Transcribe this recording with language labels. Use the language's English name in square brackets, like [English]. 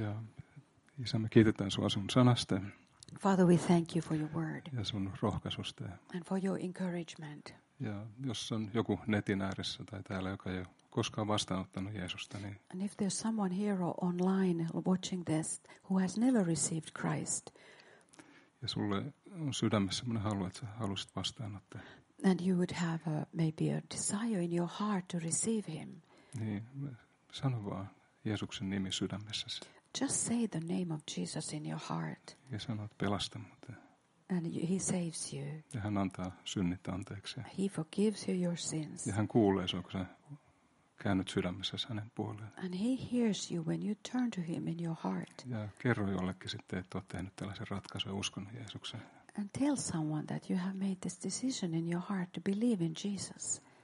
[Finnish] Ja isä, me kiitetään sua sun sanasta. [English] Father, we thank you for your word. [Finnish] Ja sun rohkaisusta. [English] And for your encouragement. [Finnish] Ja jos on joku netin ääressä tai täällä, joka ei ole koskaan vastaanottanut Jeesusta, niin. [English] And if there's someone here or online watching this who has never received Christ. [Finnish] Ja sulle on sydämessä sellainen halu, että sä haluaisit vastaanottaa. [English] And you would have a, maybe a desire in your heart to receive him. [Finnish] Niin, sano vaan Jeesuksen nimi sydämessäsi. [English] Just say the name of Jesus in your heart. [Finnish] Ja sanot pelasta mut. [English] And he saves you. [Finnish] Ja hän antaa synnit anteeksi. [English] He forgives you your sins. [Finnish] Ja hän kuulee sinua, kun sä käännyt sydämessäsi hänen puoleen. [English] And he hears you when you turn to him in your heart. [Finnish] Ja kerro jollekin sitten, että olet tehnyt tällaisen ratkaisun ja uskonut Jeesukseen. [English] And tell someone that you have made this decision in your heart to believe in Jesus.